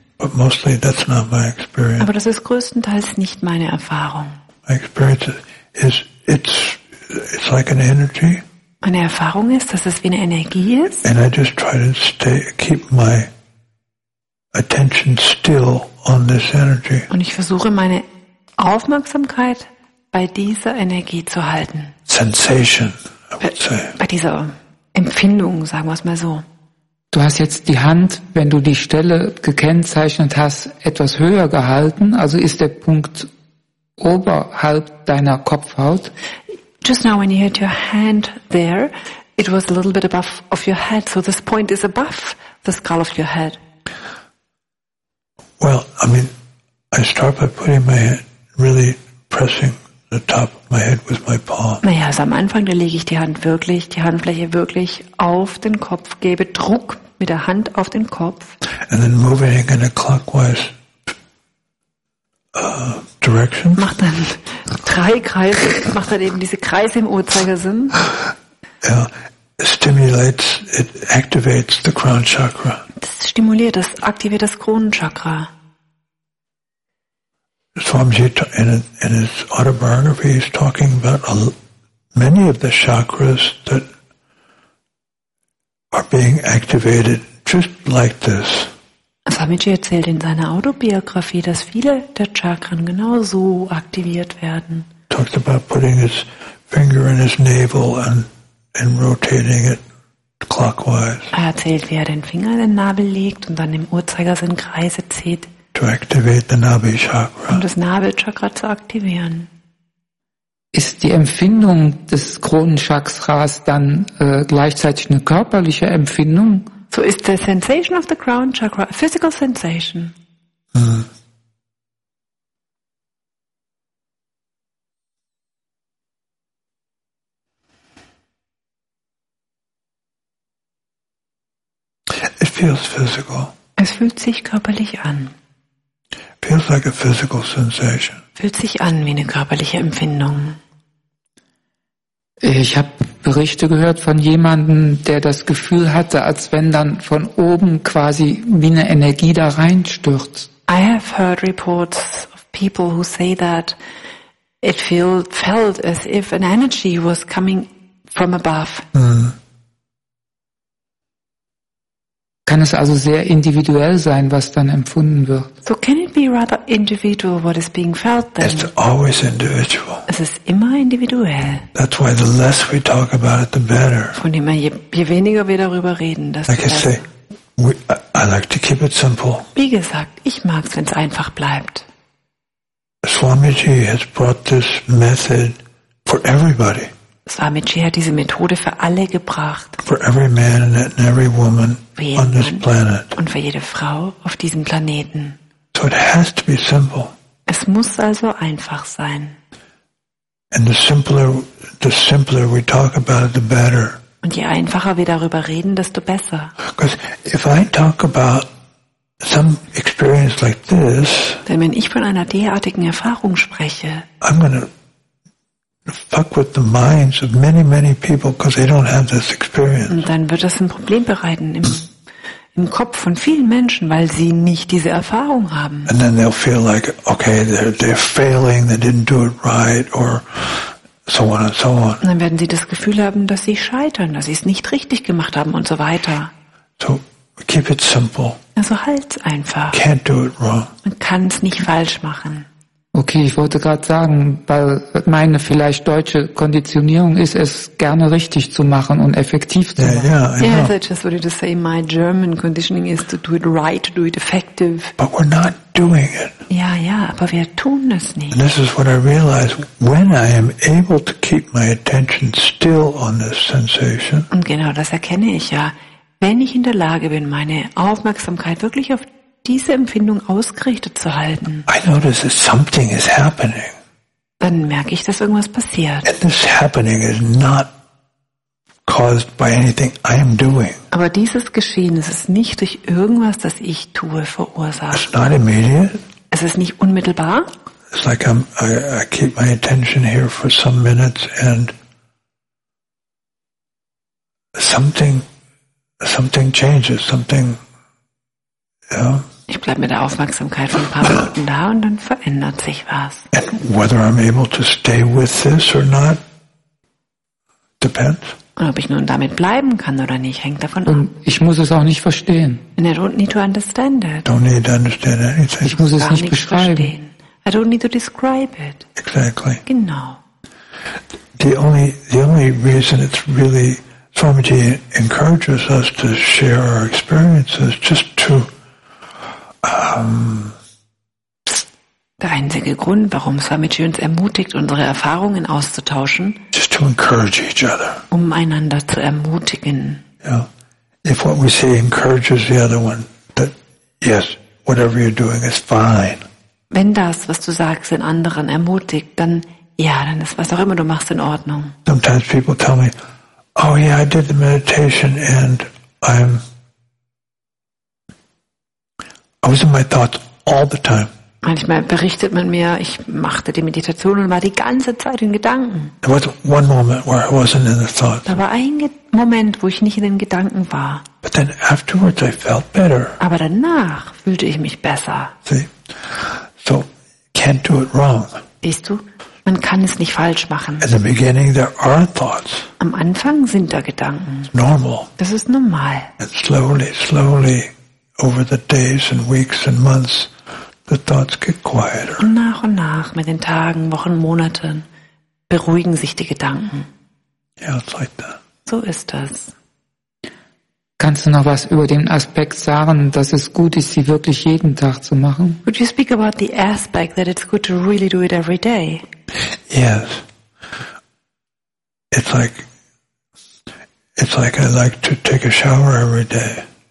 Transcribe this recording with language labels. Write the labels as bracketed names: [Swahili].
[English] But mostly that's not my experience. [German] Aber das ist größtenteils nicht meine Erfahrung. [English] My experience is it's like an energy. [German] Meine Erfahrung ist, dass es wie eine Energie ist. [English] And I just try to keep my attention still on this energy. [German] Und ich versuche, meine Aufmerksamkeit bei dieser Energie zu halten. [English] Sensation, I would say. [German] Bei dieser Empfindung, sagen wir es mal so. Du hast jetzt die Hand, wenn du die Stelle gekennzeichnet hast, etwas höher gehalten. Also ist der Punkt oberhalb deiner Kopfhaut. [English] Just now when you had your hand there, it was a little bit above of your head. So this point is above the skull of your head. Well, I mean, I start by putting my head, really pressing the top of my head with my palm. [German] Naja, also am Anfang, da lege ich die Handfläche wirklich auf den Kopf, gebe Druck mit der Hand auf den Kopf. [English] And then moving in a clockwise direction. [German] Macht dann eben diese Kreise im Uhrzeigersinn. [English] Yeah. It activates the crown chakra. [German] Das stimuliert, das aktiviert das Kronenchakra. [English] Swamiji in his autobiography is talking about many of the chakras that are being activated just like this. [German] Swamiji erzählt in seiner Autobiografie, dass viele der Chakren genau so aktiviert werden. [English] Talks about putting his finger in his navel and rotating it clockwise. [German] Er erzählt, wie er den Finger in den Nabel legt und dann im Uhrzeigersinn Kreise zieht. [English] To activate the Nabi chakra. [German] Um das Nabelchakra zu aktivieren. Ist die Empfindung des Kronenchakras dann gleichzeitig eine körperliche Empfindung? [English] So ist the sensation of the crown chakra a physical sensation. Mm. It feels physical. [German] Es fühlt sich körperlich an. [English] Feels like a physical sensation. [German] Fühlt sich an wie eine körperliche Empfindung. Ich habe Berichte gehört von jemandem, der das Gefühl hatte, als wenn dann von oben quasi wie eine Energie da reinstürzt. [English] I have heard reports of people who say that it felt as if an energy was coming from above. Mm. [German] Kann es also sehr individuell sein, was dann empfunden wird? [English] So can it be rather individual what is being felt then? It's always individual. [German] Es ist immer individuell. [English] That's why the less we talk about it, the better. [German] Von dem her, je weniger wir darüber reden, desto besser. [English] Like I say, I like to keep it simple. [German] Wie gesagt, ich mag's, wenn's einfach bleibt. [English] Swamiji has brought this method for everybody. [German] Swamiji hat diese Methode für alle gebracht. [English] For every man and every woman on this planet. [German] Und für jede Frau auf diesem Planeten. [English] So it has to be simple. [German] Es muss also einfach sein. [English] And the simpler we talk about it, the better. [German] Und je einfacher wir darüber reden, desto besser. [English] Because if I talk about some experience like this, [German] denn wenn ich von einer derartigen Erfahrung spreche, [English] I'm gonna fuck with the minds of many, many people because they don't have this experience. [German] Und dann wird das ein Problem bereiten im Kopf von vielen Menschen, weil sie nicht diese Erfahrung haben. [English] And then they'll feel like, okay, they're failing, they didn't do it right, or so on and so on. [German] Und dann werden sie das Gefühl haben, dass sie scheitern, dass sie es nicht richtig gemacht haben und so weiter. [English] So keep it simple. [German] Also halt einfach. [English] Can't do it wrong. [German] Man kann es nicht falsch machen. Okay, ich wollte gerade sagen, weil meine vielleicht deutsche Konditionierung ist, es gerne richtig zu machen und effektiv zu machen. [English] Yeah, so I just wanted to say my German conditioning is to do it right, to do it effective. But we're not doing it. [German] Yeah, aber wir tun es nicht. [English] And this is what I realized when I am able to keep my attention still on this sensation. [German] Und genau, das erkenne ich ja. Wenn ich in der Lage bin, meine Aufmerksamkeit wirklich auf diese Empfindung ausgerichtet zu halten, [English] I notice that something is happening. [German] Dann merke ich, dass irgendwas passiert. [English] And this happening is not caused by anything I am doing. [German] Aber dieses Geschehen, es ist nicht durch irgendwas, das ich tue, verursacht. [English] It's not immediate. [German] Es ist nicht unmittelbar. [English] It's like I keep my attention here for some minutes and something changes, something. [German] Ich bleibe mit der Aufmerksamkeit von ein paar Minuten da und dann verändert sich was. [English] And whether I'm able to stay with this or not depends. [German] Und ob ich nun damit bleiben kann oder nicht, hängt davon ab. Und ich muss es auch nicht verstehen. [English] And I don't need to understand it. Don't need to understand anything. [German] Ich muss es nicht beschreiben. Verstehen. [English] I don't need to describe it. Exactly. [German] Genau. [English] The only reason it's really Swamiji encourages us to share our experiences just to [German] Der einzige Grund, warum Swamiji uns ermutigt, unsere Erfahrungen auszutauschen, [English] just to encourage each other. [German] Um einander zu ermutigen. [English] Yeah. If what we say encourages the other one, that yes, whatever you're doing is fine. [German] Wenn das, was du sagst, den anderen ermutigt, dann ja, dann ist was auch immer du machst in Ordnung. [English] Sometimes people tell me, oh yeah, I did the meditation and I was in my thoughts all the time. [German] Manchmal berichtet man mir, ich machte die Meditation und war die ganze Zeit in Gedanken. [English] There was one moment where I wasn't in the thoughts. [German] Da war ein Moment, wo ich nicht in den Gedanken war. [English] But then afterwards I felt better. [German] Aber danach fühlte ich mich besser. [English] See? So, can't do it wrong. [German] Siehst du? Man kann es nicht falsch machen. [English] At the beginning there are thoughts. [German] Am Anfang sind da Gedanken. [English] It's normal. [German] Das ist normal. [English] And slowly over the days and weeks and months the thoughts get quieter. [German] Und nach mit den Tagen, Wochen, Monaten beruhigen sich die Gedanken. [English] Yeah, it's like that. [German] So ist das. Kannst du noch was über den Aspekt sagen, dass es gut ist, sie wirklich jeden Tag zu machen? [English] Could you speak about the aspect that it's good to really do it every day? Yes. It's like I like to take a shower every day.